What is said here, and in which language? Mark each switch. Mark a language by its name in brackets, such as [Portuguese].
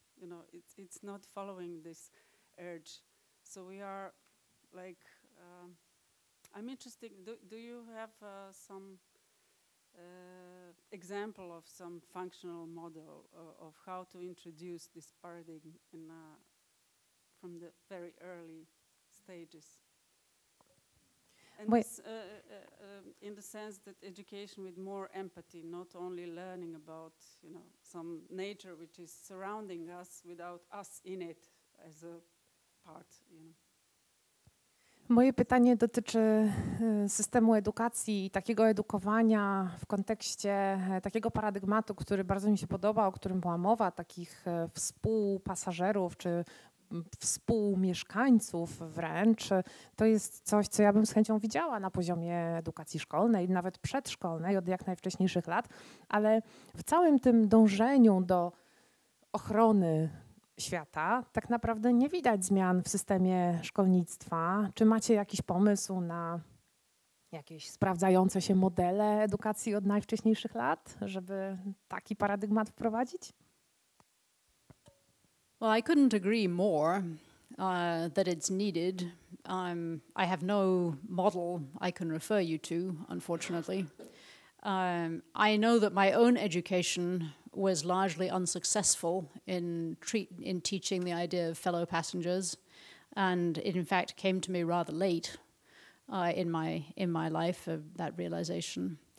[English] You know, it's not following this urge. So we are like, I'm interested, do you have some example of some functional model of how to introduce this paradigm in from the very early stages? And this, in the sense that education with more empathy, not only learning about, you know, some nature which is surrounding us without us in it as a part, you know. [Polish] Moje pytanie dotyczy systemu edukacji i takiego edukowania w kontekście takiego paradygmatu, który bardzo mi się podoba, o którym była mowa, takich współpasażerów czy współmieszkańców wręcz, to jest coś, co ja bym z chęcią widziała na poziomie edukacji szkolnej, nawet przedszkolnej od jak najwcześniejszych lat, ale w całym tym dążeniu do ochrony świata tak naprawdę nie widać zmian w systemie szkolnictwa. Czy macie jakiś pomysł na jakieś sprawdzające się modele edukacji od najwcześniejszych lat, żeby taki paradygmat wprowadzić? [English] Well, I couldn't agree more that it's needed. I have no model I can refer you to, unfortunately. I know that my own education was largely unsuccessful in teaching the idea of fellow passengers, and it in fact came to me rather late in my life of that realization.